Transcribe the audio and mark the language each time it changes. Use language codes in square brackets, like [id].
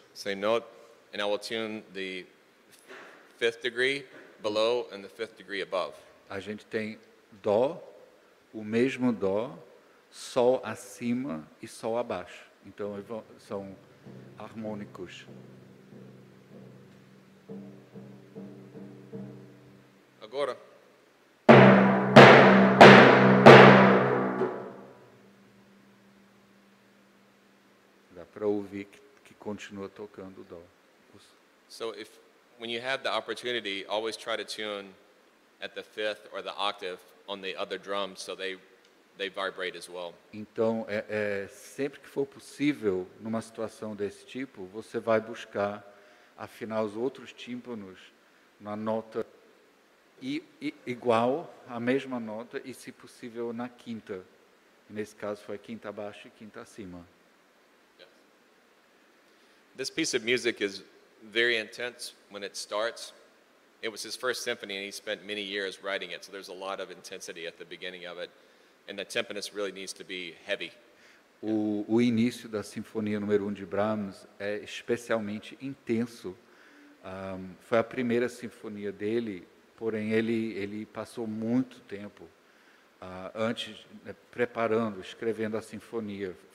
[en] Same note, and I will tune the fifth degree below and the fifth degree above. [pt] A gente tem dó, o mesmo dó, sol acima e sol abaixo. Então são harmônicos. Agora. Para ouvir que continua tocando o dó. [en] So if when you have the opportunity, always try to tune at the fifth or the octave on the other drum so they vibrate as well. [pt] Então, sempre que for possível numa situação desse tipo, você vai buscar afinar os outros tímpanos na nota igual a mesma nota e se possível na quinta. E nesse caso foi quinta abaixo e quinta acima. [en] This piece of music is very intense when it starts. It was his first symphony and he spent many years writing it, so there's a lot of intensity at the beginning of it and the tempest really needs to be heavy. [pt] O início da Sinfonia número 1 de Brahms é especialmente intenso. Foi a primeira sinfonia dele, porém ele passou muito tempo antes preparando, escrevendo a sinfonia.